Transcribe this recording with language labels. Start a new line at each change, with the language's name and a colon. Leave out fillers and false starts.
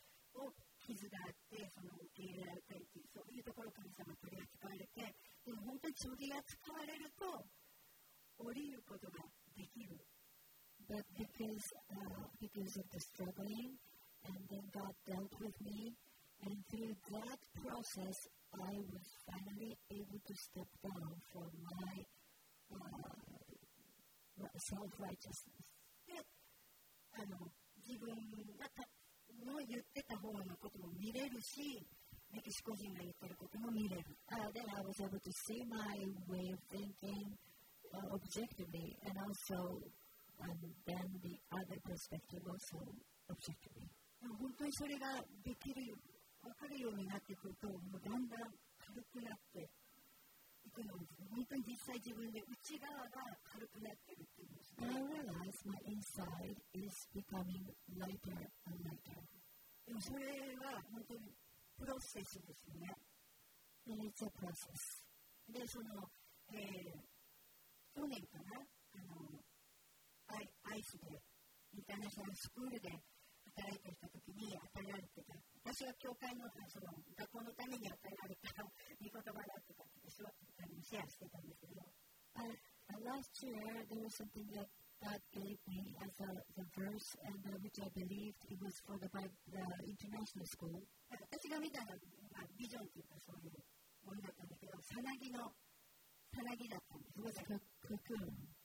Japanese: を傷があって、その受け入れられたりという、そういうところを神様取り扱われて、でも本当に取り扱われると、降りることができる。
English: But because of the struggling, and then God dealt with me, and through that process, I was finally able to step down from my self-righteousness.
Japanese: で、自分が、の言ってた方のことも見れるし、メキシコ人が言ってることも見れる。
English: Then I was able to see my way of thinking objectively, and also, and then the other perspective also objectively.
Japanese: 本当にそれができる、分かるようになってくると、もうだんだん軽くなっていくのです。本当に実際自分で内側が軽くなってるっていう。
English: And I realize my inside is becoming lighter and lighter.
Japanese: でもそれは本当にプロセスですよね。
English: And it's a process.
Japanese: で、その、去年かな、アイスで、インターナショナルスクールで働いてたときに与えられてた。私は教会の、その、学校のために与えられた御言葉だったかって、私はシェアしてたんですけど。
English: Last year, there was something that God gave me as a verse, and which I believed it was for the international school. I saw it as a vision, or something like that. It was a sanagi. It was a cocoon.